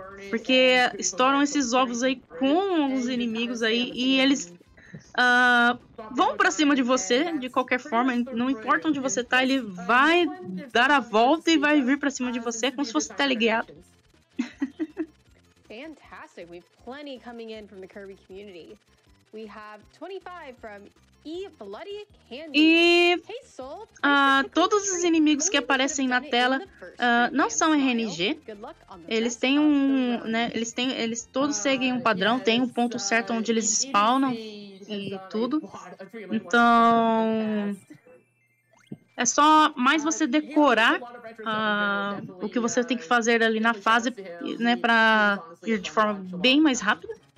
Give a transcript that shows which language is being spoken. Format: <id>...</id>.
<pt>Porque estouram esses ovos aí com os inimigos aí e eles... vão pra cima de você, de qualquer forma, não importa onde você tá, ele vai dar a volta e vai vir pra cima de você, como se fosse teleguiado.</pt> <en>Fantastic, we have plenty coming in from the Kirby community. We have 25 from E Bloody Candy.</en> <pt>E todos os inimigos que aparecem na tela não são RNG. Eles têm eles todos seguem um padrão, tem um ponto certo onde eles spawnam. E tudo. Então, é só mais você decorar o que você tem que fazer ali na fase, né, para ir de forma bem mais rápida.</pt>